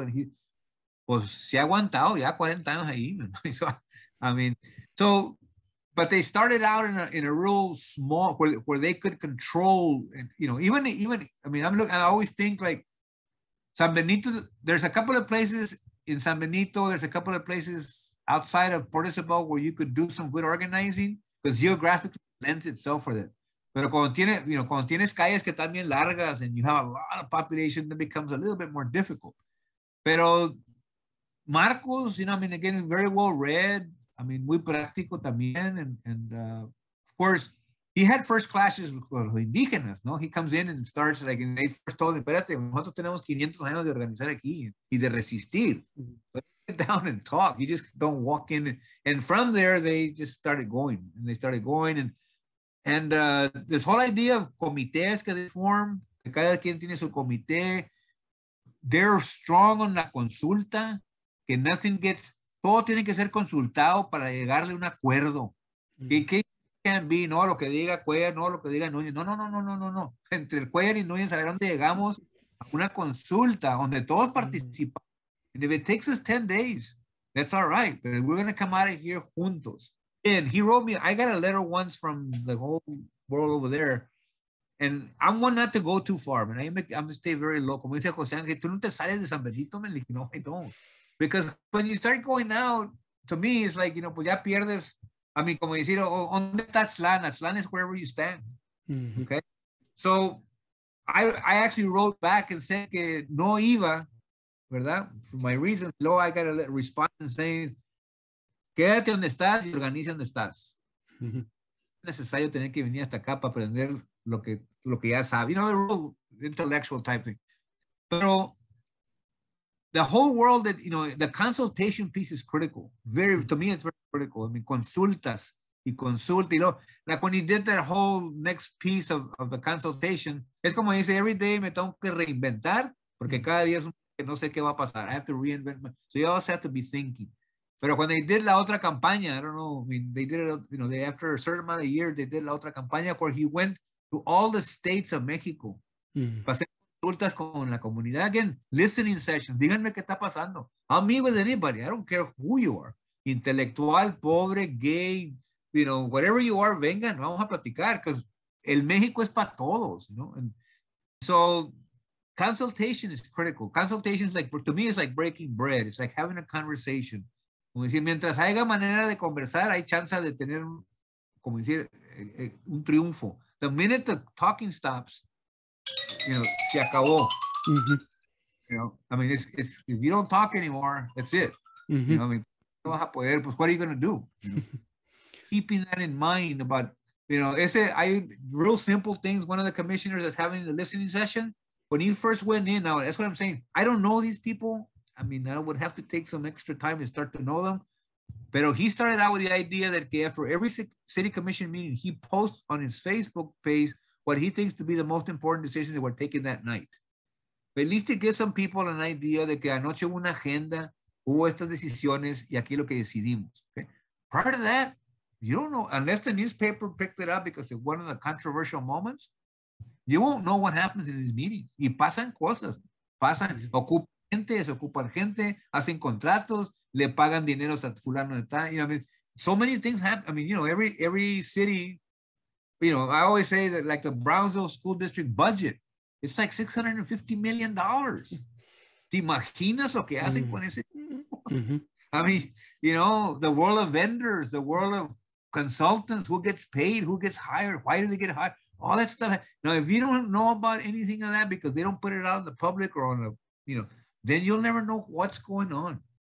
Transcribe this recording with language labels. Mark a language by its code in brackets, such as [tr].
[en] And he, [es] pues, se ha aguantado ya 40 años ahí, man. [en] So, I mean, so, but they started out in a real small, where they could control, and, you know, even, I mean, I always think like, San Benito, there's a couple of places in San Benito, there's a couple of places outside of Puerto Isabel where you could do some good organizing, because geographically lends itself for that. [es] Pero cuando tiene, [en] you know, [es] cuando tienes calles que están bien largas [en] and you have a lot of population, that becomes a little bit more difficult. [es] Pero [en] Marcos, you know, I mean, again, very well read. I mean, [es] muy práctico también. [en] And of course, he had first clashes with [es] los indígenas, no? [en] He comes in and starts like, and they first told him, [es] espérate, nosotros tenemos 500 años de organizar aquí y de resistir. [en] Mm-hmm. So sit down and talk. You just don't walk in. And from there, they just started going. And they started going. And this whole idea of [es] comités que [en] they form, [es] cada quien tiene su comité, [en] they're strong on [es] la consulta, que [en] nothing gets, [es] todo tiene que ser consultado para llegarle a un acuerdo. Mm-hmm. Y que [en] can be, [es] no, lo que diga Cuellar, no, lo que diga Núñez, no. Entre el Cuellar y Núñez, a ver dónde llegamos, a una consulta donde todos participan. [en] And if it takes us 10 days, that's all right, but we're going to come out of here [es] juntos. [en] And he wrote me, I got a letter once from the whole world over there, and I'm one not to go too far, man. I'm going to stay very low. [es] Como dice José Ángel, tú no te sales de San Benito, [en] man. Like, no, I don't. Because when you start going out, to me, it's like, you know, [es] pues ya pierdes. [en] I mean, [es] como decir, ¿dónde está Aztlán? [en] Aztlán is wherever you stand. Mm-hmm. Okay. So I actually wrote back and said [es] que no iba, ¿verdad? [en] For my reasons. [es] Luego [en] I got a response saying, [es] quédate donde estás y organiza donde estás. Mm-hmm. Es necesario tener que venir hasta acá para aprender lo que ya sabe. [en] You know, a real intellectual type thing. [es] Pero [en] the whole world that, you know, the consultation piece is critical. Very, to me, it's very critical. I mean, [es] consultas y consulta. [en] You know, like when he did that whole next piece of the consultation, [es] es como dice, [en] every day [es] me tengo que reinventar, porque cada día es un que no sé qué va a pasar. [en] I have to reinvent. So you also have to be thinking. [es] Pero cuando [en] they did la otra campaña, I don't know, I mean, they did it, you know, they, after a certain amount of years, they did la otra campaña where he went to all the states of Mexico. [es] Consultas con la comunidad, [en] again, listening sessions, [es] díganme qué está pasando. [en] I'll meet with anybody, I don't care who you are, [es] intelectual, pobre, [en] gay, you know, whatever you are, [es] vengan, vamos a platicar, [en] because [es] el México es para todos, [en] you know. And so consultation is critical. Consultation is like, to me, it's like breaking bread, it's like having a conversation. [es] Como decir, mientras haya manera de conversar, hay chance de tener, como decir, un triunfo. [en] The minute the talking stops, you know, [es] se acabó. [en] Mm-hmm. You know, I mean, it's if you don't talk anymore, that's it. Mm-hmm. You know, I mean, [es] no vas a poder, pues, [en] what are you going to do? You know? Keeping that in mind about, you know, [es] ese, [en] I, real simple things. One of the commissioners that's having the listening session, when he first went in, now that's what I'm saying. I don't know these people. I mean, I would have to take some extra time to start to know them. But he started out with the idea that after every city commission meeting, he posts on his Facebook page what he thinks to be the most important decisions that were taken that night. But at least it gives some people an idea that [es] anoche hubo una agenda, hubo estas decisiones, y aquí lo que decidimos. [en] Okay? Prior to that, you don't know, unless the newspaper picked it up because it was one of the controversial moments, you won't know what happens in these meetings. [es] Y pasan cosas. Pasan, ocupan gente, se ocupan gente, hacen contratos, le pagan dinero a fulano de tal. [en] You know, I mean, so many things happen. I mean, you know, every city, you know, I always say that like the Brownsville School District budget, it's like $650 million. [es] ¿Te imaginas lo que hacen con ese? [en] Mm-hmm. I mean, you know, the world of vendors, the world of consultants, who gets paid, who gets hired, why do they get hired? All that stuff. Now, if you don't know about anything of that because they don't put it out in the public or on a, you know, then you'll never know what's going on.